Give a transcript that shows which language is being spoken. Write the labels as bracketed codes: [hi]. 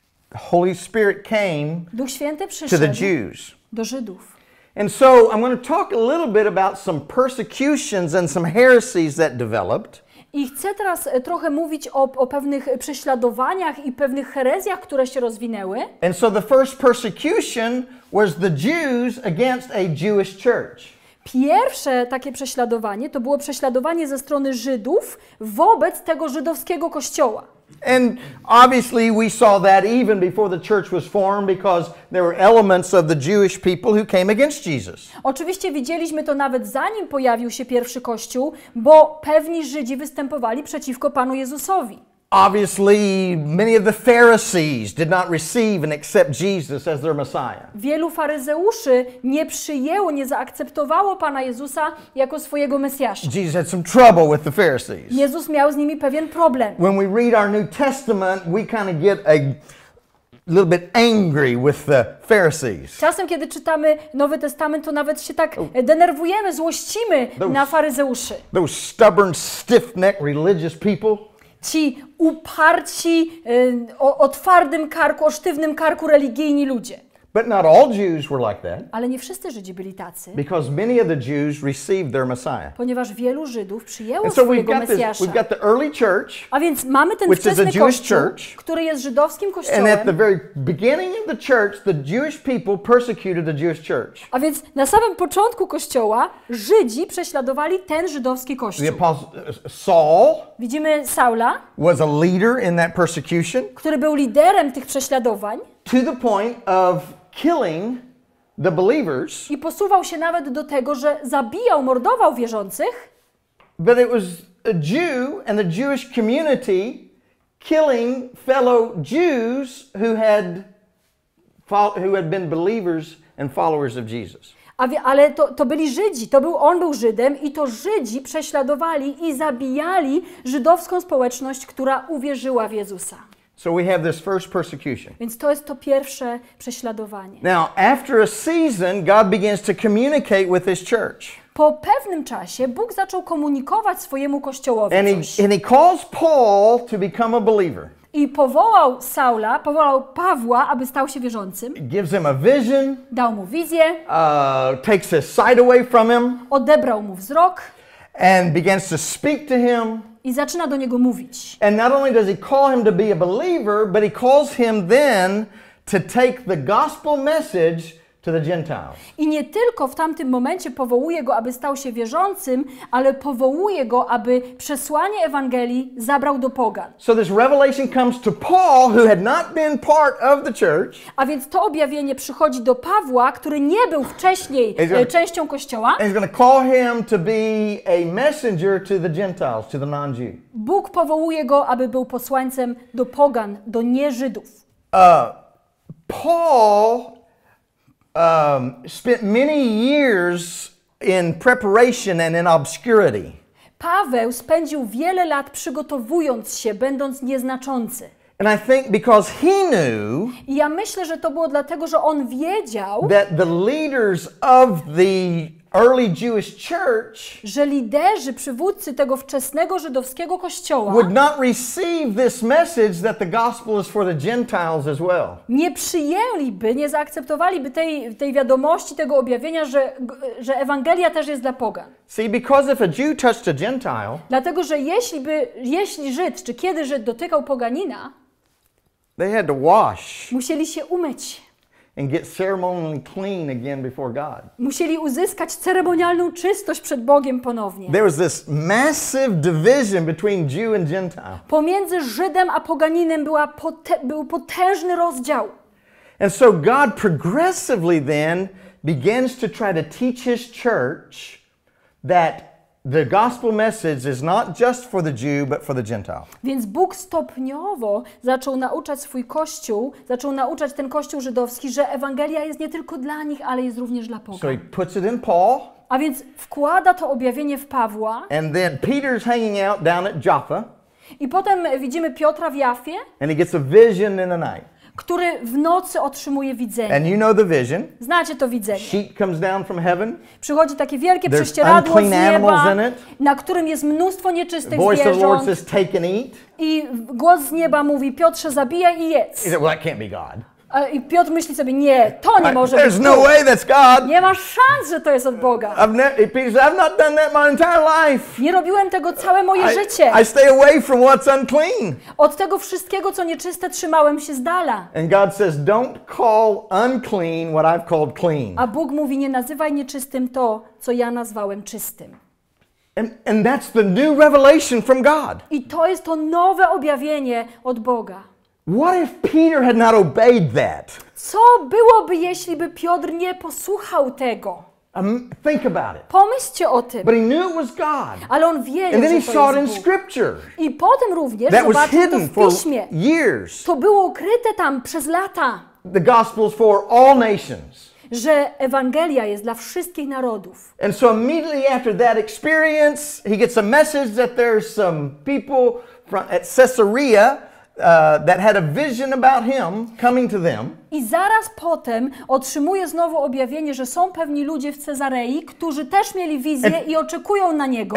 [en] The Holy Spirit came. [pl] Duch Święty przyszedł. [en] To the Jews. [pl] Do Żydów. [en] And so I'm going to talk a little bit about some persecutions and some heresies that developed. [pl] I chcę teraz trochę mówić o pewnych prześladowaniach i pewnych herezjach, które się rozwinęły. [en] And so the first persecution was the Jews against a Jewish church. [pl] Pierwsze takie prześladowanie to było prześladowanie ze strony Żydów wobec tego żydowskiego kościoła. [en] And obviously we saw that even before the church was formed because there were elements of the Jewish people who came against Jesus. [pl] Oczywiście widzieliśmy to nawet zanim pojawił się pierwszy kościół, bo pewni Żydzi występowali przeciwko Panu Jezusowi. [en] Obviously, many of the Pharisees did not receive and accept Jesus as their Messiah. [pl] Wielu faryzeuszy nie przyjęło, nie zaakceptowało Pana Jezusa jako swojego Mesjasza. [en] Jesus had some trouble with the Pharisees. [pl] Jezus miał z nimi pewien problem. [en] When we read our New Testament, we kind of get a little bit angry with the Pharisees. [pl] Czasem, kiedy czytamy Nowy Testament, to nawet się tak denerwujemy, złościmy na faryzeuszy. [en] Those stubborn, stiff-necked religious people. [pl] Ci uparci, o twardym karku, o sztywnym karku religijni ludzie. [en] But not all Jews were like that. [pl] Ale nie wszyscy Żydzi byli tacy. [en] Because many of the Jews received their Messiah. [pl] Ponieważ wielu Żydów przyjęło swojego Mesjasza. [en] We've got the early church, [pl] a więc mamy ten [en] which [pl] wczesny [en] is a Jewish [pl] kościół, [en] church, [pl] który jest żydowskim kościołem. [en] And at the very beginning of the church, the Jewish people persecuted the Jewish church. [pl] A więc na samym początku kościoła Żydzi prześladowali ten żydowski kościół. [en] The apostle Saul, [pl] widzimy Saula, [en] was a leader in that persecution, [pl] który był liderem tych prześladowań. [en] To the point of killing the believers. [pl] I posuwał się nawet do tego, że zabijał, mordował wierzących. [en] But it was a Jew and the Jewish community killing fellow Jews who had been believers and followers of Jesus. [pl] Ale to byli Żydzi, on był Żydem i to Żydzi prześladowali i zabijali żydowską społeczność, która uwierzyła w Jezusa. [en] So we have this first persecution. [pl] Więc to jest to pierwsze prześladowanie. [en] Now, after a season, God begins to communicate with his church. [pl] Po pewnym czasie Bóg zaczął komunikować swojemu kościołowi coś. [en] And he calls Paul to become a believer. [pl] I powołał Saula, powołał Pawła, aby stał się wierzącym. [en] Gives him a vision. [pl] Dał mu wizję. [en] Takes his sight away from him. [pl] Odebrał mu wzrok. [en] And begins to speak to him. [pl] I zaczyna do niego mówić. [en] And not only does he call him to be a believer, but he calls him then to take the gospel message to the Gentiles. [pl] I nie tylko w tamtym momencie powołuje go, aby stał się wierzącym, ale powołuje go, aby przesłanie Ewangelii zabrał do pogan. [en] So this revelation comes to Paul, who had not been part of the church. [pl] A więc to objawienie przychodzi do Pawła, który nie był wcześniej częścią kościoła. [en] And he's going to call him to be a messenger to the Gentiles, to the non-Jew. [pl] Bóg powołuje go, aby był posłańcem do pogan, do nieżydów. [en] Paul spent many years in preparation and in obscurity. [pl] Paweł spędził wiele lat przygotowując się, będąc nieznaczący. [en] And I think because he knew, [pl] i ja myślę, że to było dlatego, że on wiedział, [en] that the leaders of the early Jewish church, [pl] że liderzy, przywódcy tego wczesnego żydowskiego kościoła, [en] would not receive this message that the gospel is for the Gentiles as well. [pl] Nie przyjęliby, nie zaakceptowaliby tej wiadomości, tego objawienia, że Ewangelia też jest dla pogan. [en] See, because if a Jew touched a Gentile, [pl] dlatego, że jeśli Żyd, czy kiedy Żyd dotykał poganina, [en] they had to wash. [pl] Musieli się umyć. [en] And get ceremonially clean again before God. [pl] Musieli uzyskać ceremonialną czystość przed Bogiem ponownie. [en] There was this massive division between Jew and Gentile. [pl] Pomiędzy Żydem a poganinem był potężny rozdział. [en] And so God progressively then begins to try to teach his church that the gospel message is not just for the Jew, but for the Gentile. [pl] Więc Bóg stopniowo zaczął nauczać swój kościół, zaczął nauczać ten kościół żydowski, że Ewangelia jest nie tylko dla nich, ale jest również dla pogan. [en] So he puts it in Paul. [pl] A więc wkłada to objawienie w Pawła. [en] And then Peter's hanging out down at Jaffa. [pl] I potem widzimy Piotra w Jafie. [en] And he gets a vision in the night. [pl] Który w nocy otrzymuje widzenie. [en] And you know the vision. [pl] Znacie to widzenie. [en] Sheet comes down from heaven. [pl] Przychodzi takie wielkie prześcieradło z nieba, [en] in it. [pl] Na którym jest mnóstwo nieczystych [en] the voice [pl] zwierząt. [en] Of the Lord says, take and eat. [pl] I głos z nieba mówi, Piotrze, zabijaj i jedz. [en] He said, well, that can't be God. [pl] I Piotr myśli sobie, nie, to nie może [en] There's no way that's God. [pl] Nie ma szans, że to jest od Boga. [en] I've not done that my entire life. [pl] Nie robiłem tego całe moje życie. [en] I stay away from what's unclean. [pl] Od tego wszystkiego, co nieczyste, trzymałem się z dala. [en] And God says, don't call unclean what I've called clean. [pl] A Bóg mówi, nie nazywaj nieczystym to, co ja nazwałem czystym. [en] And that's the new revelation from God. [pl] I to jest to nowe objawienie od Boga. [en] What if Peter had not obeyed that? [pl] Co byłoby, jeśli by Piotr nie posłuchał tego? [en] Think about it. [pl] Pomyślcie o tym. [en] But he knew it was God. [pl] Ale on wiedział, [en] and then [pl] że [en] he [pl] to [en] saw [pl] jest [en] it in Scripture. [pl] I potem również [en] that was [pl] zobaczył [en] hidden [pl] to w Piśmie. [en] For years. [pl] To było ukryte tam przez lata. [en] The gospel is for all nations. [pl] Że Ewangelia jest dla wszystkich narodów. [en] And so immediately after that experience, he gets a message that there's some people at Caesarea that had a vision about him coming to them. [pl] I zaraz potem otrzymuje znowu objawienie, że są pewni ludzie w Cezarei, którzy też mieli wizję i oczekują na niego.